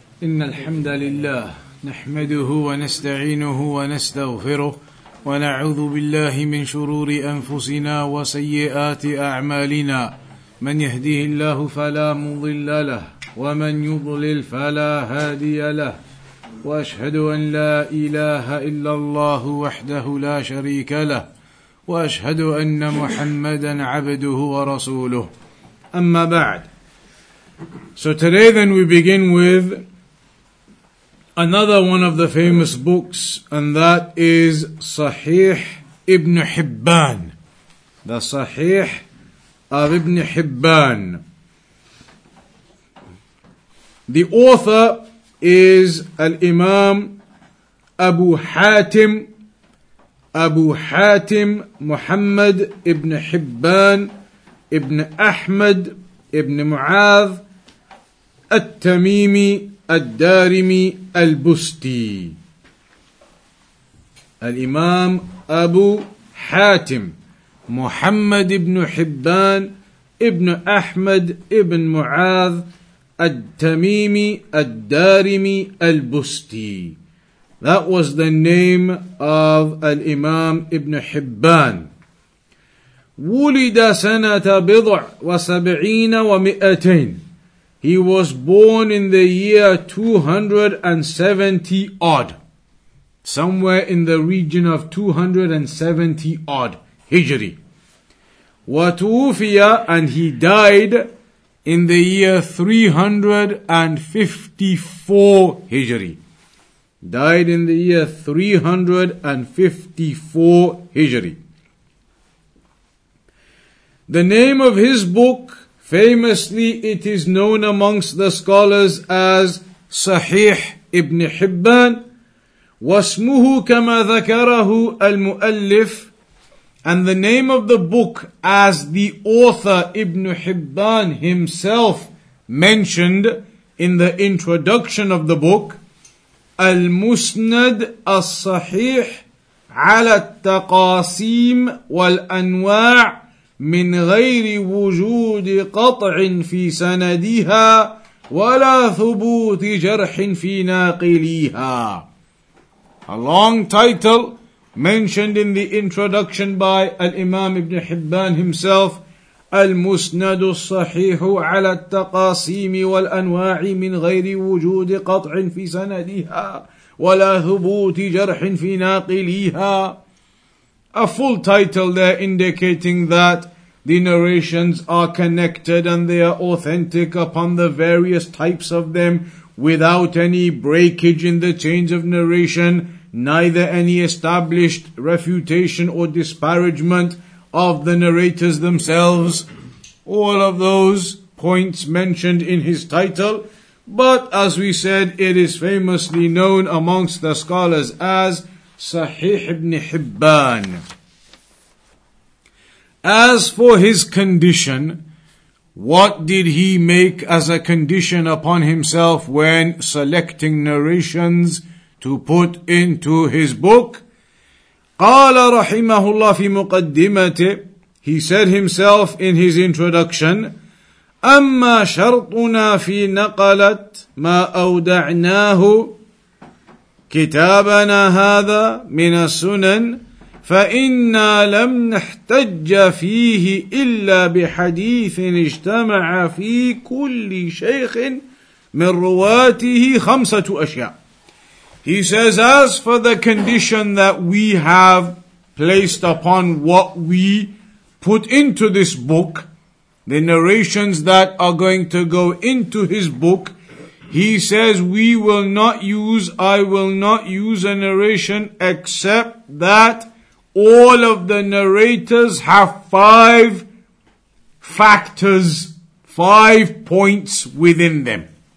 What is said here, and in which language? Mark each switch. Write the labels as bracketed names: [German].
[Arabic] إن الحمد لله نحمده ونستعينه ونستغفره ونعوذ بالله من شرور أنفسنا وسيئات أعمالنا من يهديه الله فلا مضل له ومن يضلل فلا هادي له وأشهد أن لا إله إلا الله وحده لا شريك له وأشهد أن محمدا عبده ورسوله أما بعد. [English] So today then we begin with another one of the famous books, and that is Sahih Ibn Hibban. The Sahih of Ibn Hibban. The author is Al-Imam Abu Hatim Muhammad Ibn Hibban Ibn Ahmad Ibn Muadh At-Tamimi الدارمي البستي [Arabic] الإمام أبو حاتم محمد بن حبان ابن أحمد ابن معاذ التميمي الدارمي البستي. [English] That was the name of الإمام ابن حبان. [Arabic] ولد سنة بضع وسبعين ومئتين. [English] He was born in the year 270-odd, somewhere in the region of 270-odd Hijri. [Arabic] وَتُوفِيَ, [English] and he died in the year 354 Hijri. Died in the year 354 Hijri. The name of his book, famously, it is known amongst the scholars as Sahih Ibn Hibban. [Arabic] وَاسْمُهُ كَمَا ذَكَرَهُ الْمُؤَلِّفِ. [English] And the name of the book, [Arabic] as the author Ibn Hibban himself mentioned in the introduction of the book, الْمُسْنَدْ الصَّحِيحِ عَلَى التَّقَاسِيمِ وَالْأَنْوَاعِ مِنْ غَيْرِ وُجُودِ قَطْعٍ فِي سَنَدِهَا وَلَا ثُبُوتِ جَرْحٍ فِي نَاقِلِيهَا. [English] A long title mentioned in the introduction by Al-Imam Ibn Hibban himself, [Arabic] الْمُسْنَدُ الصَّحِيحُ عَلَى التَّقَاسِيمِ وَالْأَنْوَاعِ مِنْ غَيْرِ وُجُودِ قَطْعٍ فِي سَنَدِهَا وَلَا ثُبُوتِ جَرْحٍ فِي نَاقِلِيهَا. [English] A full title there indicating that the narrations are connected and they are authentic upon the various types of them, without any breakage in the chains of narration, neither any established refutation or disparagement of the narrators themselves. All of those points mentioned in his title. But as we said, it is famously known amongst the scholars as Sahih ibn Hibban. As for his condition, what did he make as a condition upon himself when selecting narrations to put into his book? [Arabic] قَالَ رَحِمَهُ اللَّهِ فِي مُقَدِّمَةِ. [English] He said himself in his introduction, [Arabic] أَمَّا شَرْطُنَا فِي نَقَلَتْ مَا أَوْدَعْنَاهُ كتابنا هذا من السنن فإنا لم نحتج فيه إلا بحديث اجتمع في كل شيخ من رواته خمسة أشياء. [English] He says, as for the condition that we have placed upon what we put into this book, the narrations that are going to go into his book, he says, I will not use a narration except that all of the narrators have five factors, five points within them.